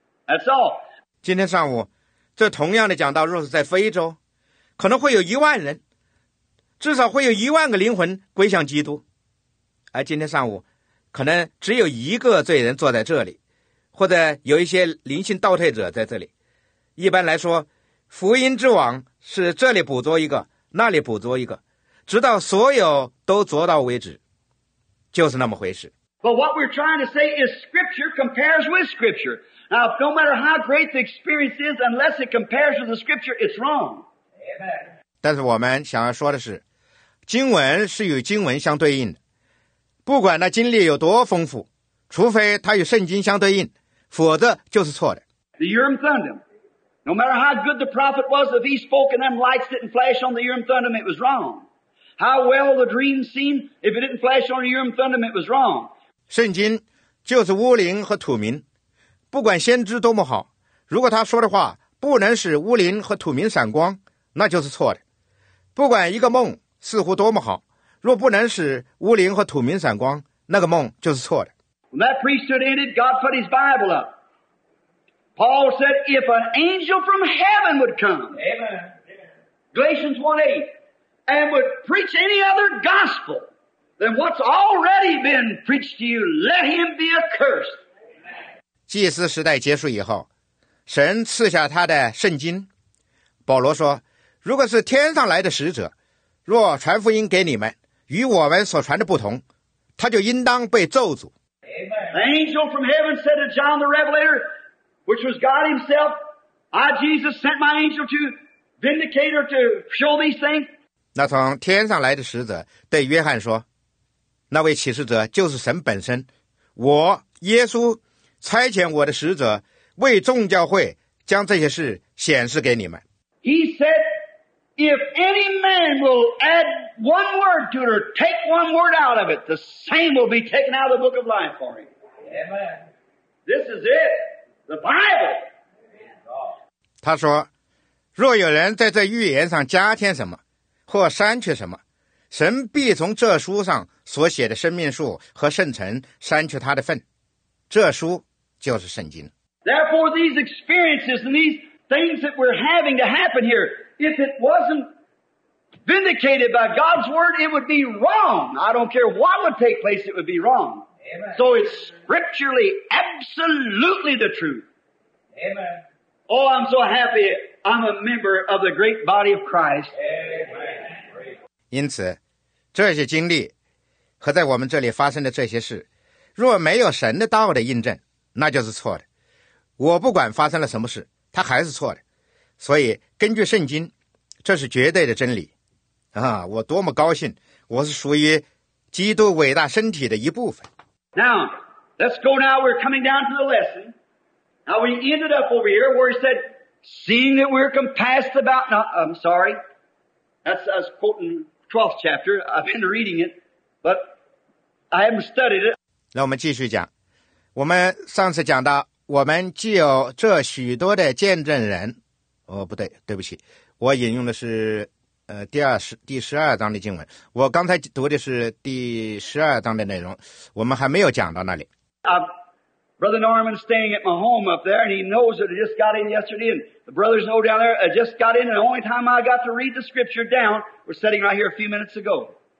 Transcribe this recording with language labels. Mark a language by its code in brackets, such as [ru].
[en] That's all. [zh] 今天上午这同样的讲道若是在非洲，可能会有一万人，至少会有一万个灵魂归向基督。而今天上午可能只有一个罪人坐在这里，或者有一些灵性倒退者在这里。一般来说，福音之网是这里捕捉一个，那里捕捉一个，直到所有都捉到为止，就是那么回事。 [en] But what we're trying to say is scripture compares with scripture. Now, no matter how great the experience is, unless it compares with the scripture, it's wrong. Amen. [zh] 但是我们想要说的是，经文是与经文相对应的。不管那经历有多丰富，除非它与圣经相对应，否则就是错的。 [en] The Urim Thummim. No matter how good the prophet was, if he spoke and them lights didn't flash on the Urim Thummim, it was wrong. How well the dream seemed, if it didn't flash on the Urim Thummim, it was wrong. [zh] 圣经就是乌灵和土民，不管先知多么好，如果他说的话不能使乌灵和土民闪光，那就是错的。不管一个梦似乎多么好，若不能使乌灵和土民闪光，那个梦就是错的。 [en] When that priesthood ended, God put his Bible up. Paul said, if an angel from heaven would come, Amen. Galatians 1:8, and would preach any other gospel than what's already been preached to you, let him be accursed. [zh] 祭司时代结束以后，神赐下他的圣经。保罗说，如果是天上来的使者，若传福音给你们与我们所传的不同，他就应当被咒诅。 [en] The angel from heaven said to John the Revelator, which was God himself, I, Jesus, sent my angel to vindicate or to show these things. [zh] 那从天上来的使者对约翰说，那位启示者就是神本身，我耶稣差遣我的使者为众教会将这些事显示给你们。 [en] He said, if any man will add one word to it or take one word out of it, the same will be taken out of the book of life for him. Amen. This is it, the Bible. [zh] 他说，若有人在这预言上加添什么或删去什么，神必从这书上所写的生命树和圣城删去他的份，这书就是圣经。 [en] Therefore these experiences and these things that we're having to happen here, if it wasn't vindicated by God's word, it would be wrong. I don't care what would take place, it would be wrong. Amen. So it's scripturally absolutely the truth. Amen. Oh, I'm so happy I'm a member of the great body of Christ. Amen. [zh] 因此这些经历和在我们这里发生的这些事，若没有神的道的印证，那就是错的。我不管发生了什么事，它还是错的。所以根据圣经，这是绝对的真理啊！我多么高兴我是属于基督伟大身体的一部分。 [en] Now let's go now, we're coming down to the lesson. Now we ended up over here where he said, seeing that we're compassed about, no, I'm sorry, that's us quoting 12th chapter, I've been reading it, but I haven't studied it. [zh] 那我们继续讲，我们上次讲到，我们既有这许多的见证人，哦，不对，对不起，我引用的是第十二章的经文。我刚才读的是第十二章的内容，我们还没有讲到那里。 [en] I've Brother Norman's staying at my home up there, and he knows that I just got in yesterday, and the brothers know down there, I just got in, and the only time I got to read the scripture down was sitting right here a few minutes ago.